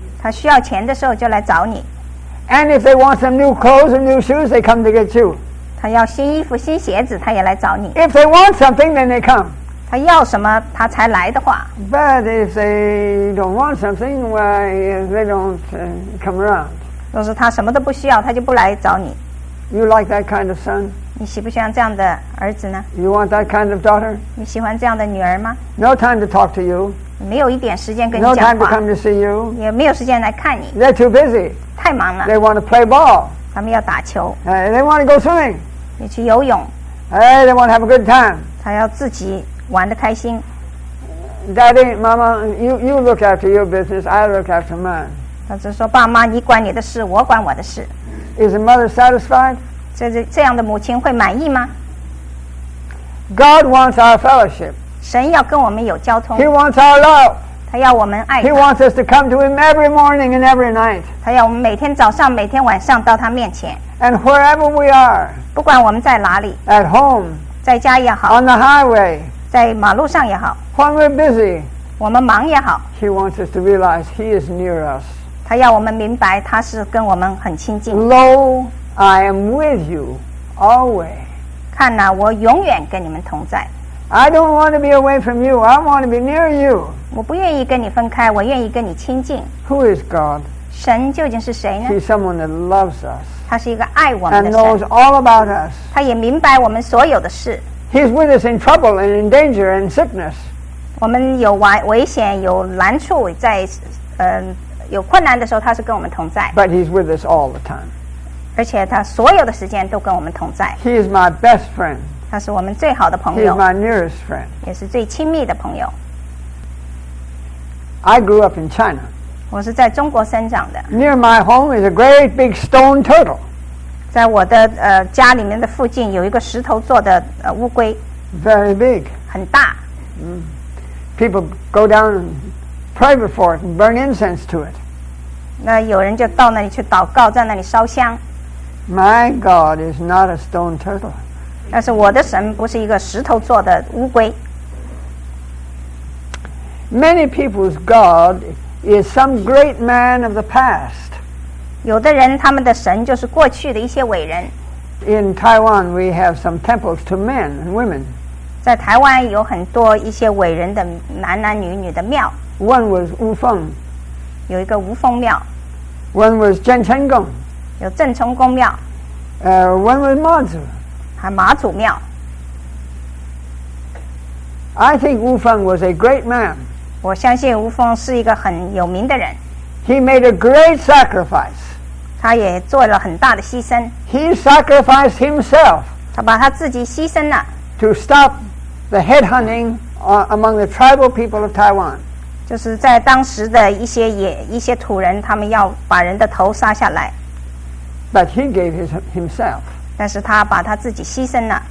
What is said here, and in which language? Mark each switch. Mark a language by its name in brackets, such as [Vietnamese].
[Chinese] 他需要钱的时候就来找你。 [English] And if they want some new clothes or new shoes, they come to get you. [Chinese] 他要新衣服、新鞋子，他也来找你。 [English] If they want something, then they come. [Chinese] 他要什么，他才来的话。 [English] But if they don't want something, why they don't come around? [Chinese] 若是他什么都不需要，他就不来找你。 [English] You like that kind of son? [Chinese] 你喜不喜欢这样的儿子呢？ [English] You want that kind of daughter? [Chinese] 你喜欢这样的女儿吗？ [English] No time to talk to you. [Chinese] 没有一点时间跟你讲话。 [English] No time to come to see you. [Chinese] 也没有时间来看你。 [English] They're too busy. [Chinese] 太忙了。 [English] They want to play ball. [Chinese] 他们要打球。 [English] They want to go swimming. [Chinese] 也去游泳。 [English] They want to have a good time. [Chinese] 他要自己玩得开心。 [English] Daddy, Mama, you look after your business. I look after mine. [Chinese] 他只说爸妈，你管你的事，我管我的事。 [English] Is a mother satisfied? [Chinese] 这样的母亲会满意吗？ [English] God wants our fellowship. [Chinese] 神要跟我们有交通。 [English] He wants our love. [Chinese] 他要我们爱他。 [English] He wants us to come to him every morning and every night. [Chinese] 他要我们每天早上、每天晚上到他面前。 [English] And wherever we are. [Chinese] 不管我们在哪里。 [English] At home. [Chinese] 在家也好。 [English] On the highway. [Chinese] 在马路上也好。 [English] When we're busy. [Chinese] 我们忙也好。 [English] He wants us to realize he is near us. [Chinese] 他要我们明白他是跟我们很亲近。 [English] Lo, I am with you always. [Chinese] 看哪，我永远跟你们同在。 [English] I don't want to be away from you. I want to be near you. [Chinese] 我不愿意跟你分开，我愿意跟你亲近。 [English] Who is God? [Chinese] 神究竟是谁呢？ [English] He's someone that loves us. [Chinese] 他是一个爱我们的神。 [English] And knows all about us. [Chinese] 他也明白我们所有的事。 [English] He's with us in trouble and in danger and sickness. [Chinese] 我们有危险，有难处，在有困难的时候，他是跟我们同在。 [English] But he's with us all the time. [Chinese] 而且他所有的时间都跟我们同在。 [English] He is my best friend. [Chinese] 他是我们最好的朋友。 [English] He is my nearest friend. [Chinese] 也是最亲密的朋友。 [English] I grew up in China. [Chinese] 我是在中国生长的。 [English] Near my home is a great big stone turtle. [Chinese] 在我的家里面的附近有一个石头做的乌龟。 [English] Very big. [Chinese] 很大。 [English] People go down and pray before it and burn incense to it. [Chinese] 那有人就到那里去祷告，在那里烧香。 [English] My God is not a stone turtle. [Chinese] 但是我的神不是一个石头做的乌龟。 [English] Many people's God is some great man of the past. [Chinese] 有的人他们的神就是过去的一些伟人。 [English] In Taiwan, we have some temples to men and women. [Chinese] 在台湾有很多一些伟人的男男女女的庙。 [English] One was Wu Feng. [Chinese] 有一个吴凤庙。 [English] One was Zhen Cheng Gong. [Chinese] 有郑成功庙。 [English] One was Ma Zu. [Chinese] 还马祖庙。 [English] I think Wu Feng was a great man. [Chinese] 我相信吴凤是一个很有名的人。 [English] He made a great sacrifice. [Chinese] 他也做了很大的牺牲。 [English] He sacrificed himself. [Chinese] 他把他自己牺牲了。 [English] To stop the headhunting among the tribal people of Taiwan. [Chinese] 就是在当时的一些土人，他们要把人的头杀下来。 [English] But he gave himself. [Chinese] 但是他把他自己牺牲了。